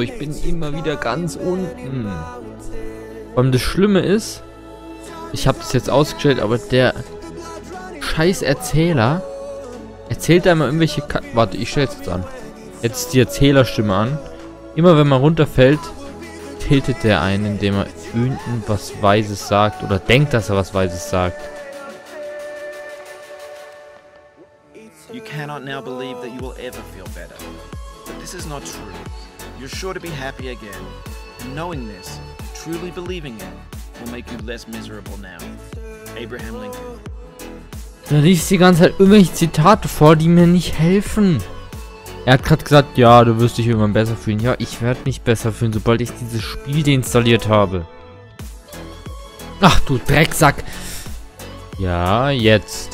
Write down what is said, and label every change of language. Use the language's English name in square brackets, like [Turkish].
[German] Ich bin immer wieder ganz unten. Und das Schlimme ist, ich habe das jetzt ausgestellt, aber der scheiß Erzähler erzählt einmal irgendwelche... Warte, ich stell's jetzt an. Jetzt die Erzählerstimme an. Immer wenn man runterfällt, tiltet der einen, indem er irgendwas Weises sagt oder denkt, dass er was Weises sagt. [English] You cannot now believe that you will ever feel better. But this is not true. You're sure to be happy again. And knowing this, truly believing it, will make you less miserable now. Abraham Lincoln. [German] Da liest die ganze Zeit irgendwelche Zitate vor, die mir nicht helfen. Er hat gerade gesagt, ja, du wirst dich irgendwann besser fühlen. Ja, ich werde mich besser fühlen, sobald ich dieses Spiel deinstalliert habe. Ach, du Drecksack. Ja, jetzt.